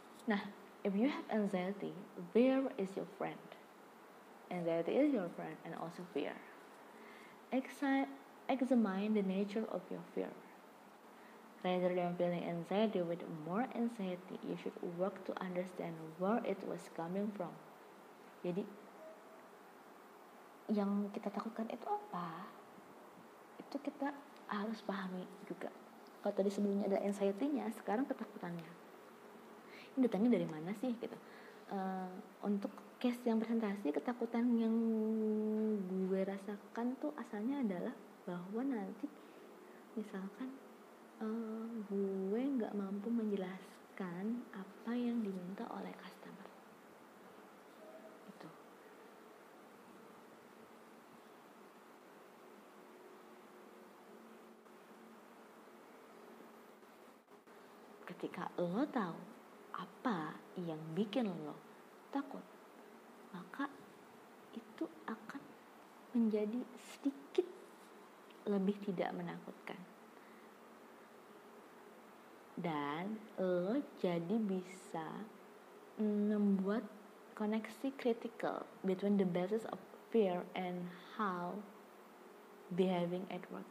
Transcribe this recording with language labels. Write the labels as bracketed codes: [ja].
[en] Nah, if you have anxiety, where is your friend? Anxiety is your friend and also fear. Examine the nature of your fear. Rather than feeling anxiety with more anxiety, you should work to understand where it was coming from. [id] Jadi, yang kita takutkan itu apa? Itu kita harus pahami juga. Kalau tadi sebelumnya ada anxiety-nya, sekarang ketakutannya. Ini datangnya dari mana sih? Gitu. Untuk case yang presentasi, ketakutan yang gue rasakan tuh asalnya adalah bahwa nanti misalkan gue gak mampu menjelaskan apa yang diminta oleh customer. Itu. Ketika lo tahu apa yang bikin lo takut, maka itu akan menjadi sedikit lebih tidak menakutkan. Dan lo jadi bisa membuat koneksi [en] critical between the basis of fear and how behaving at work.